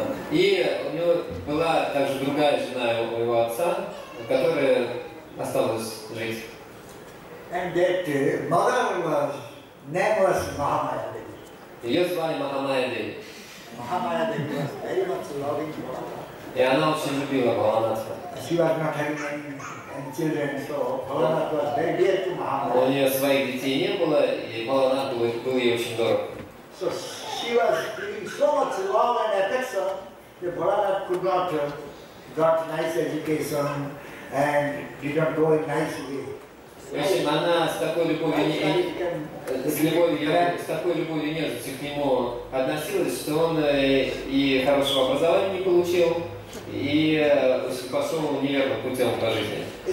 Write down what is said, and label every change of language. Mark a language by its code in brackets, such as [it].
[ru] И у него была также другая жена у моего отца, которая осталась жить. [en] And that mother was name was Mahamaya Devi. [ru] Ее звали Mahamaya Devi. [en] Mahamaya Devi was very much loving Bhola. [ru] И она очень любила Bhola. [en] She was not having any children, so Bhola was very dear to Mahamaya. [ru] У нее своих детей не было, и Bhola был ей очень дорог. [en] So she was giving so much love and affection that Bhola could not got nice education and did not go in nice way. [ru] В общем, она с такой любовью нежности к нему относилась, что он и хорошего образования не получил, и пошел неверным путем по жизни.